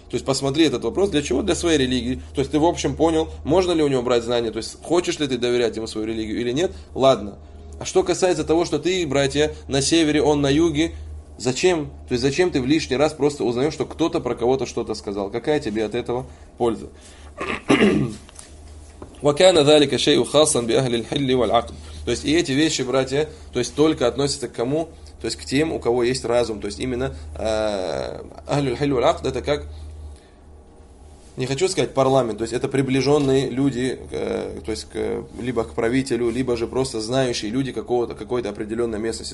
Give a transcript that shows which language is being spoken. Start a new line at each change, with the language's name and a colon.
Russian: То есть посмотри этот вопрос, для чего? Для своей религии. То есть ты в общем понял, можно ли у него брать знания, то есть хочешь ли ты доверять ему свою религию или нет, ладно. А что касается того, что ты, братья, на севере, он на юге, зачем? То есть зачем ты в лишний раз просто узнаешь, что кто-то про кого-то что-то сказал? Какая тебе от этого польза?
Arabic: وكان ذلك شيء خاصا بأهل الحل والعقد.
Russian: То есть и эти вещи, братья, то есть только относятся к кому? То есть к тем, у кого есть разум. То есть именно
Arabic: أهل الحل والعقد,
Russian: это как, не хочу сказать парламент, то есть это приближенные люди, то есть либо к правителю, либо же просто знающие люди какого-то, какой-то определенной местности.